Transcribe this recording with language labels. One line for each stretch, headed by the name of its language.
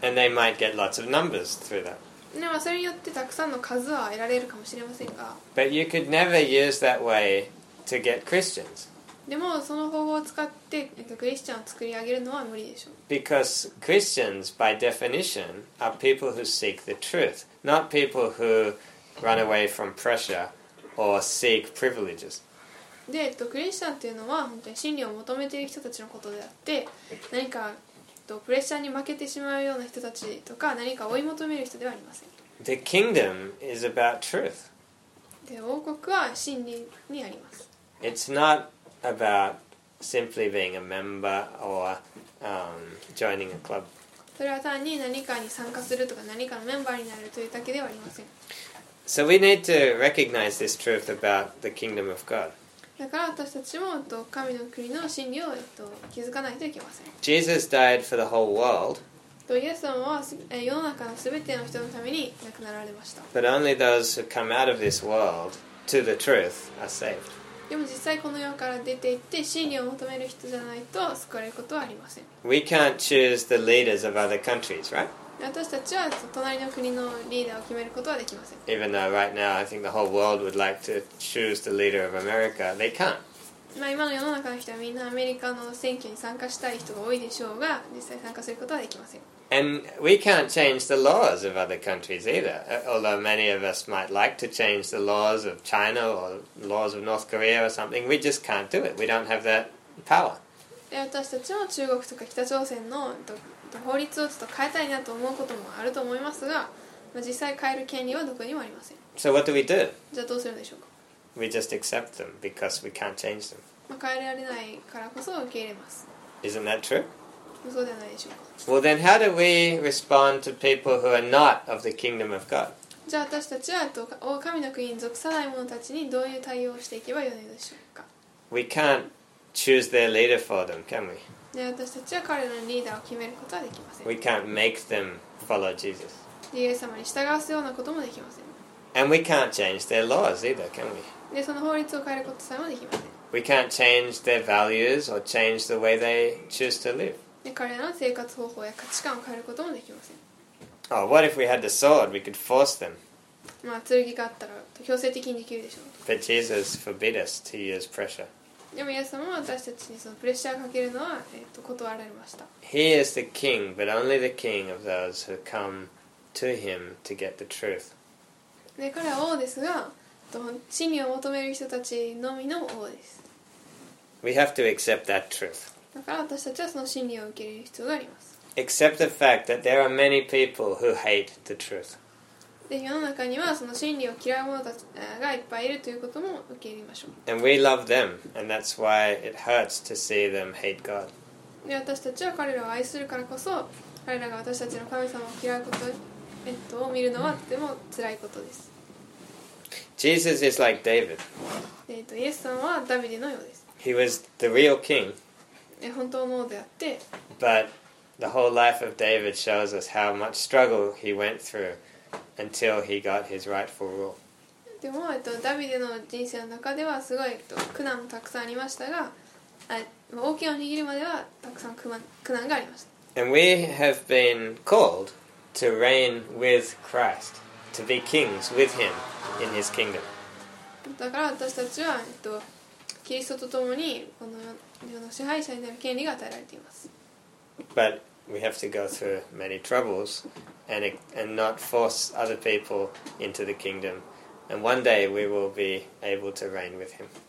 English: And they might get lots of numbers through that.
Japanese: でもそれによってたくさんの数は得られるかもしれませんが。
English: But you could never use that way to get Christians.
Japanese: でもその方法を使って、クリスチャンを作り上げるのは無理でしょう。
English: Because Christians, by definition, are people who seek the truth, not people who run away from pressure or seek privileges.
Japanese: で、クリスチャンというのは本当に真理を求めている人たちのことであって、何かプレッシャーに負けてしまうような人たちとか何か追い求める人ではありません。
English: The kingdom is about truth.
Japanese: で、王国は真理にあります。
English: It's not about simply being a member or joining a club.
Japanese: それは単に何かに参加するとか何かのメンバーになるというだけではありません。
English: So we need to recognize this truth about the kingdom of God.
Japanese: だから私たちも神の国の真理を気づかないといけません。
English: Jesus died for the whole world.
Japanese: とイエス様は世の中のすべての人のために亡くなられました。
English: But only those who come out of this world to the truth are saved.
Japanese: でも実際この世から出て行って真理を求める人じゃないと救われることはありません。
English: We can't choose the leaders of other countries, right?
Japanese: 私たちは隣の国のリーダーを決めることはできません。
English: Even though right now I think the whole world would like to choose the leader of America, they can't.
Japanese: まあ今の世の中の人はみんなアメリカの選挙に参加したい人が多いでしょうが、実際参加することはできません。
English: And we can't change the laws of other countries either. Although many of us might like to change the laws of China or laws of North Korea or something, we just can't do it. We don't have that power.
Japanese: 私たちも中国とか北朝鮮の法律をちょっと変えたいなと思うこともあると思いますが、実際変える権利はどこにもありません。
English: So what do we do?
Japanese: じゃあどうするんでしょうか?
English: We just accept them because we can't change them.
Japanese: 変えられないからこそ受け入れます。
English: Isn't that true?
Japanese: そうではないでしょうか。
English: Well, then how do we respond to people who are not of the kingdom of God?
Japanese: じゃあ私たちは神の国に属さない者たちにどういう対応をしていけばよいでしょうか。
English: We can't choose their leader for them, can we?
Japanese: じゃあ私たちは彼のリーダーを決めることはできません。
English: We can't make them follow Jesus.
Japanese: イエス様に従わすようなこともできません。
English: And we can't change their laws either, can we?
Japanese: でその法律を変えることさえもできません。
English: We can't change their values or change the way they choose to live.
Japanese: 彼らの生活方法や価値観を変えることもできません。
English: Oh, what if we had the sword? We could force them.
Japanese: まあ、剣があったら強制的にできるでしょう。
English: But Jesus forbid us to use pressure.
Japanese: でもイエス様は私たちにそのプレッシャーをかけるのは、断られました。
English: He is the king, but only the king of those who come to him to get the truth.
Japanese: で、彼は王ですが、真理を求める人たちのみの王です。
English: We have to accept that truth.
Japanese: だから私たちはその真理を受け入れる必要があります。
English: Except the fact that there are many people who hate the truth.
Japanese: で、世の中にはその真理を嫌う者たちがいっぱいいるということも受け入れましょう。
English: And we love them, and that's why it hurts to see them hate God.
Japanese: で、私たちは彼らを愛するからこそ、彼らが私たちの神様を嫌うことを見るのはとても辛いことです。
English: Jesus is like David.
Japanese: イエス様はダビデのようです。
English: He was the real king.
Japanese: 本当のであって、
English: But the whole life of David shows us how much struggle he went through until he got his rightful rule.
Japanese: でも、ダビデの人生の中ではすごい、苦難もたくさんありましたが、王権を握るまではたくさん苦難がありました。
English: And we have been called to reign with Christ, to be kings with him in his kingdom.
Japanese: だから私たちは、キリストと共にこの世の支配者になる権利が与えられています。
English: But we have to go through many troubles and not force other people into the kingdom. And one day we will be able to reign with him.